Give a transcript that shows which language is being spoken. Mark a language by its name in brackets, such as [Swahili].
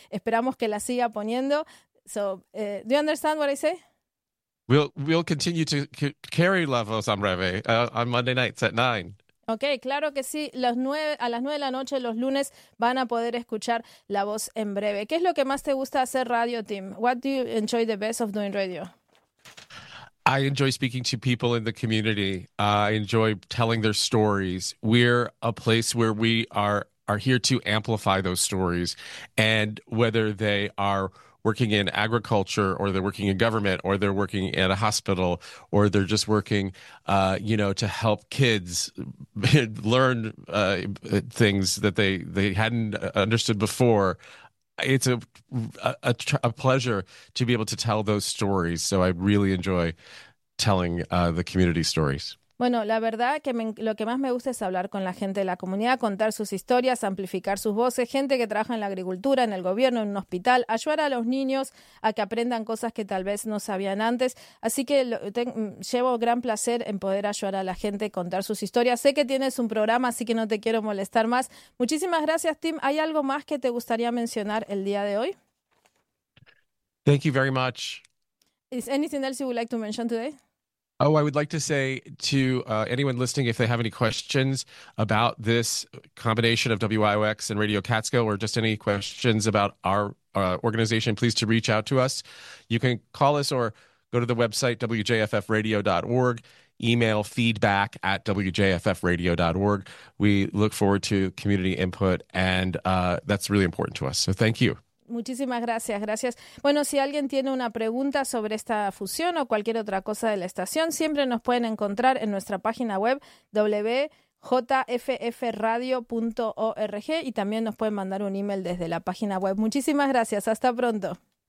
[Spanish] Esperamos que la siga poniendo. [English] So, do you understand what I say? We'll continue to carry La Voz en Breve on Monday nights at 9. [Spanish] Ok, claro que sí. A las nueve de la noche, los lunes, van a poder escuchar La Voz en Breve. ¿Qué es lo que más te gusta hacer radio, Tim? [English] What do you enjoy the best of doing radio? I enjoy speaking to people in the community. I enjoy telling their stories. We're a place where we are here to amplify those stories. And whether they are working in agriculture, or they're working in government, or they're working at a hospital, or they're just working, to help kids learn things that they hadn't understood before. It's a pleasure to be able to tell those stories. So I really enjoy telling the community stories. [Spanish] Bueno, la verdad que lo que más me gusta es hablar con la gente de la comunidad, contar sus historias, amplificar sus voces, gente que trabaja en la agricultura, en el gobierno, en un hospital, ayudar a los niños a que aprendan cosas que tal vez no sabían antes. Así que llevo gran placer en poder ayudar a la gente, contar sus historias. Sé que tienes un programa, así que no te quiero molestar más. Muchísimas gracias, Tim. ¿Hay algo más que te gustaría mencionar el día de hoy? [English] Thank you very much. Is anything else you would like to mention today? Oh, I would like to say to anyone listening, if they have any questions about this combination of WIOX and Radio Catskill, or just any questions about our organization, please to reach out to us. You can call us or go to the website wjffradio.org, email feedback@wjffradio.org. We look forward to community input, and that's really important to us. So thank you. [Spanish] Muchísimas gracias, gracias. Bueno, si alguien tiene una pregunta sobre esta fusión o cualquier otra cosa de la estación, siempre nos pueden encontrar en nuestra página web wjffradio.org y también nos pueden mandar un email desde la página web. Muchísimas gracias, hasta pronto.